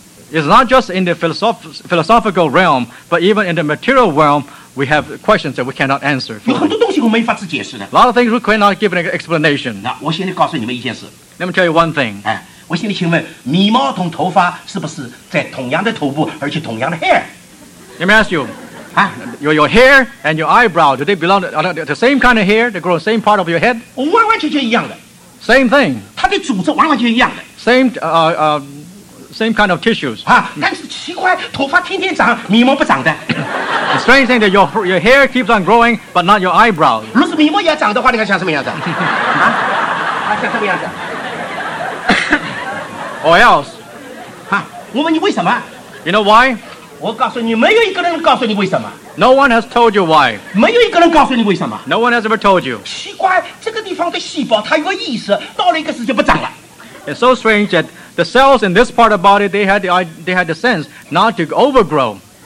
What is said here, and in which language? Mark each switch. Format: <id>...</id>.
<en>It's not just in the philosophical realm, but even in the material realm, we have questions that we cannot answer.</en> <zh>有很多东西我们没法子解释的。</zh> <en>A lot of things we cannot give an explanation.</en> <zh>那我现在告诉你们一件事。</zh> <en>Let me tell you one thing.</en> <zh>我现在请问，眉毛同头发是不是在同样的头部，而且同样的 hair？</zh> <en>Let me ask you，啊，your hair and your eyebrow， do they belong to the same kind of hair？ They grow the same part of your head？</en> <zh>完完全全一样的</zh> <en>，same thing。</en> <zh>它的组织完完全一样的</zh> <en>，same kind of tissues。</en> <zh>啊，但是奇怪，头发天天长，眉毛不长的。</zh> <en>The strange thing that your hair keeps on growing， but not your eyebrow。</en> <zh>如果眉毛也长的话，你看像什么样子？ 啊， 像什么样子？</zh> <en>Or else.</en> <zh>啊，我问你为什么？</zh> <en>You know why?</en> <zh>我告诉你，没有一个人告诉你为什么。</zh> <en>No one has told you why.</en> <zh>没有一个人告诉你为什么。</zh> <en>No one has ever told you.</en> <zh>奇怪，这个地方的细胞它有个意识，到了一个时间就不长了。</zh> <en>It's so strange that the cells in this part of body, they had the sense not to overgrow.</en>